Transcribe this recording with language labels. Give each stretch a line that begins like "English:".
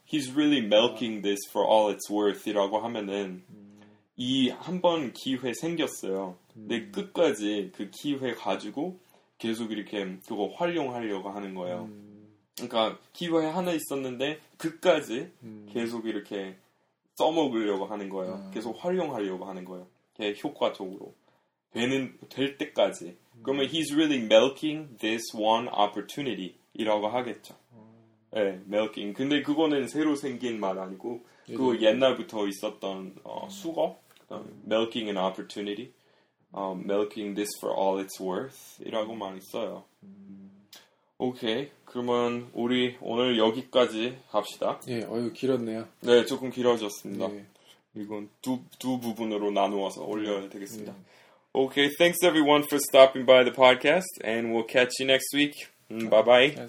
English: He's really milking this for all it's worth이라고 하면은.
Korean: 이 한 번 기회 생겼어요. 근데 끝까지 그 기회 가지고 계속 이렇게 그거 활용하려고 하는 거예요. 그러니까 기회 하나 있었는데 끝까지 계속 이렇게 써먹으려고 하는 거예요. 계속 활용하려고 하는 거예요. 이렇게 효과적으로 될 때까지. 그러면
English: he's really milking this one opportunity
Korean: 이라고 하겠죠. 네, milking. 근데 그거는 새로 생긴 말 아니고 그 옛날부터 있었던 수거?
English: milking an opportunity, milking this for all it's worth
Korean: 이라고 많이 써요. 오케이, 그러면 우리 오늘 여기까지 합시다. 네, 어휴 길었네요. 네, 조금 길어졌습니다. 네. 이건 두 부분으로 나누어서 올려야 되겠습니다. 네.
English: Okay, thanks everyone for stopping by the podcast, and we'll catch you next week. Bye-bye.